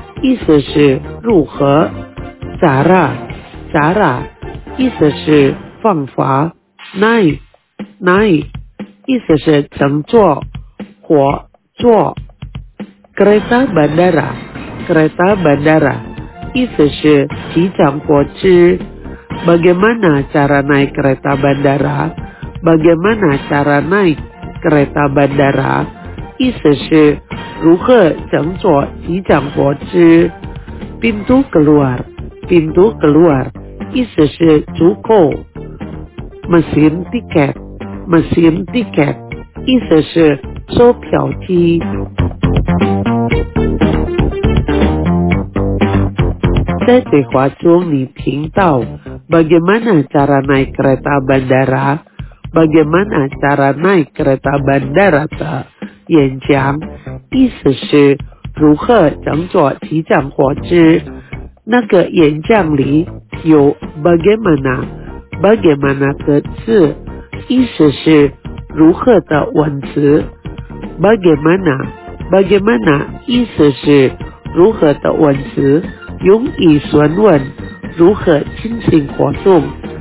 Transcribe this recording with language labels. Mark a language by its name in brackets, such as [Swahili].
[Chinese] 意思是如何 ？cara cara， 意思是方法 ；naik naik， 意思是乘坐火坐 ； kereta bandara kereta bandara，意思是机场火车。 [Indonesian] Bagaimana cara naik kereta bandara？ Bagaimana cara naik kereta bandara？ [Chinese] 意思是如何乘坐机场火车？ [Indonesian] Pintu keluar， pintu keluar，意思是出口。 Mesin tiket， mesin tiket，意思是售票机。 [Chinese] 在对话中，你听到 bagaimana cara naik kereta bandara， bagaimana cara naik kereta bandara 的演讲。意思是如何乘坐机场火车？那个演讲里有 bagaimana， bagaimana 的字，意思是如何的文词。 bagaimana， bagaimana 意思是如何的文词，用以询问如何进行活动。